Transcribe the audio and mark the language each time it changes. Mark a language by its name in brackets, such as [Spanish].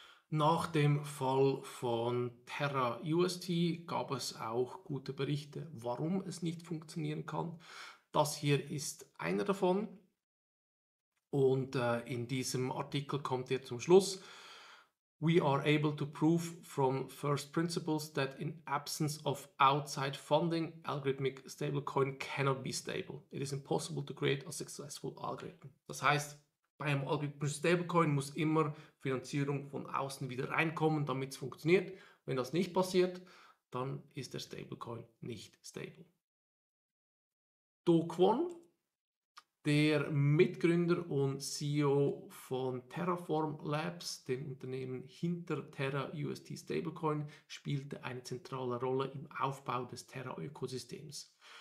[German] Nach dem Fall von Terra UST gab es auch gute Berichte, warum es nicht funktionieren kann. Das hier ist einer davon. Und in diesem Artikel kommt er zum Schluss. [English] We are able to prove from first principles that in absence of outside funding, algorithmic stablecoin cannot be stable. It is impossible to create a successful algorithm. [German] Das heißt, bei einem algorithmischen Stablecoin muss immer Finanzierung von außen wieder reinkommen, damit es funktioniert. Wenn das nicht passiert, dann ist der Stablecoin nicht stable. Do Kwon der Mitgründer und CEO von Terraform Labs, dem Unternehmen hinter Terra UST Stablecoin, spielte eine zentrale Rolle im Aufbau des Terra-Ökosystems.